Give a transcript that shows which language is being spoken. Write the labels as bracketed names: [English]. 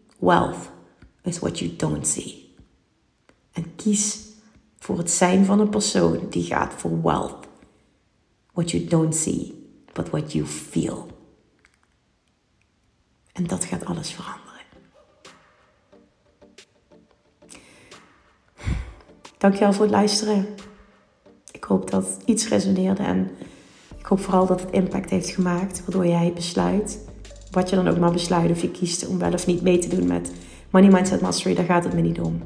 [English] Wealth is what you don't see. [Dutch] En kies voor het zijn van een persoon die gaat voor wealth. [English] What you don't see, but what you feel. [Dutch] En dat gaat alles veranderen. Dankjewel voor het luisteren. Ik hoop dat iets resoneerde en ik hoop vooral dat het impact heeft gemaakt, waardoor jij besluit, wat je dan ook maar besluit, of je kiest om wel of niet mee te doen met Money Mindset Mastery, daar gaat het me niet om.